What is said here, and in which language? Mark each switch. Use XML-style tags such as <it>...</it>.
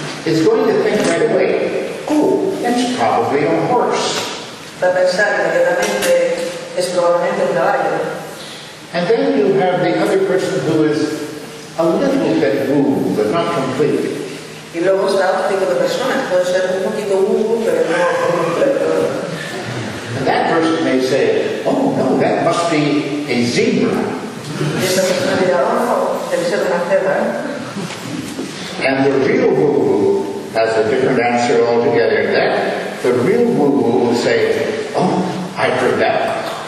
<en>It's going to think right away, oh, that's probably a horse.</en> <es>Va a pensar inmediatamente, es probablemente un caballo.</es> <en>And then you have the other person who is a little bit woo, but not completely.</en> <es>Y luego está otro tipo de persona, puede ser un poquito woo, pero no completo.</es> <en>And that person may say, oh no, that must be a zebra.</en> <es>Y esa persona dirá, oh no, debe ser una zebra.</es> <en>And the real woo-woo has a different answer altogether. That the real woo-woo will say, oh, I've heard that.</en>